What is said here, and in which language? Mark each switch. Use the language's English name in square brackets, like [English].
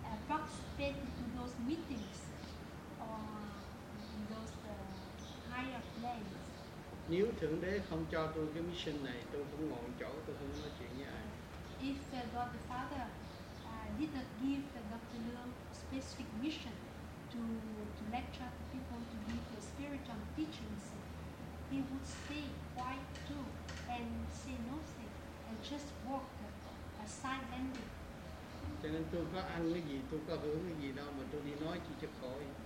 [English] participate to those meetings or in those higher planes. [Vietnamese] Nếu Thượng Đế không cho tôi cái mission này, tôi cũng ngồi chỗ tôi không nói chuyện với ai. [English] If God the Father did not give Dr. Leung specific mission to lecture the people, to give the spiritual teachings, he would stay quiet too and say nothing and just walk silently. [Vietnamese] Cho nên tôi có ăn cái gì, tôi có hưởng cái gì đâu mà tôi đi nói chỉ cho khỏi.